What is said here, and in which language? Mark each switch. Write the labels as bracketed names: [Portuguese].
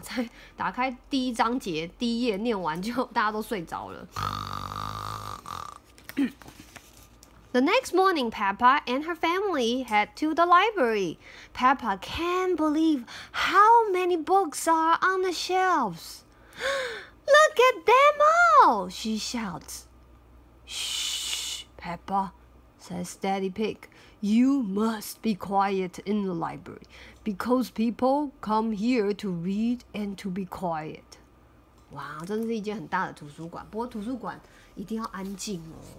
[Chinese] 才打开第一章节，第一页念完就大家都睡着了。 [English] The next morning, Peppa and her family head to the library. Peppa can't believe how many books are on the shelves. Look at them all! She shouts. Shh, Peppa, says Daddy Pig. You must be quiet in the library because people come here to read and to be quiet. [Chinese] 哇，真是一间很大的图书馆。不过图书馆一定要安静哦。